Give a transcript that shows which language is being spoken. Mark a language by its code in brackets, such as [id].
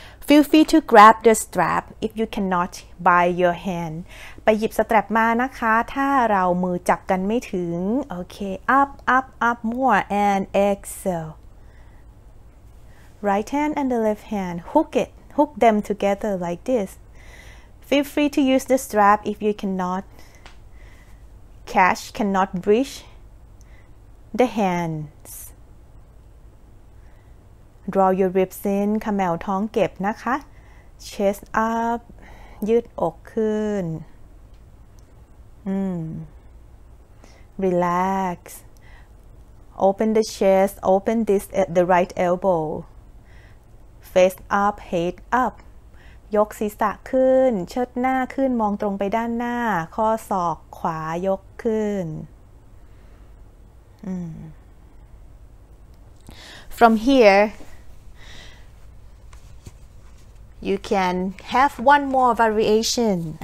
[en] Feel free to grab the strap if you cannot by your hand. [th] ไปหยิบสแตร็ปมานะคะถ้าเรามือจับกันไม่ถึง [en] Okay, up, up, up more and exhale. Right hand and the left hand, hook it, hook them together like this. Feel free to use the strap if you cannot catch, cannot reach the hands. Draw your ribs in, come out, [th] ท้องเก็บนะคะ [en] Chest up, [th] ยืดอกขึ้น [en] Relax. Open the chest, open this at the right elbow. Face up, head up. [th] ยกศีรษะขึ้นเชิดหน้าขึ้นมองตรงไปด้านหน้าข้อศอกขวายกขึ้น [en] From here, you can have one more variation.